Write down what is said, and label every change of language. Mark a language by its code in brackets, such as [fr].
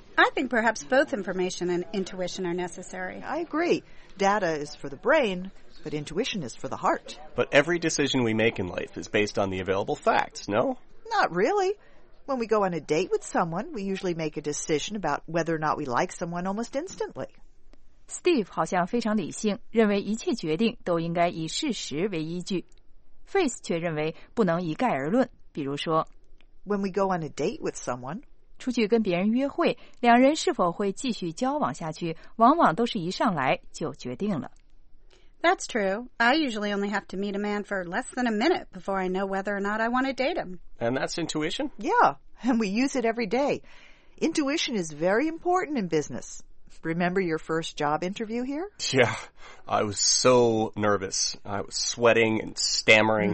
[en] I think perhaps both information and intuition are necessary. I agree. Data is for the brain, but intuition is for the heart. But every decision we make in life is based on the available facts, no? Not really. When we go on a date with someone, we usually make a decision about whether or not we like someone almost instantly. [zh] Steve 好像非常理性，认为一切决定都应该以事实为依据。 Faith 却认为不能一概而论，比如说 [en] When we go on a date with someone, [zh] 出去跟别人约会，两人是否会继续交往下去，往往都是一上来就决定了。 [en] That's true. I usually only have to meet a man for less than a minute before I know whether or not I want to date him. And that's intuition? Yeah, and we use it every day. Intuition is very important in business. Remember your first job interview here? Yeah, I was so nervous. I was sweating and stammering.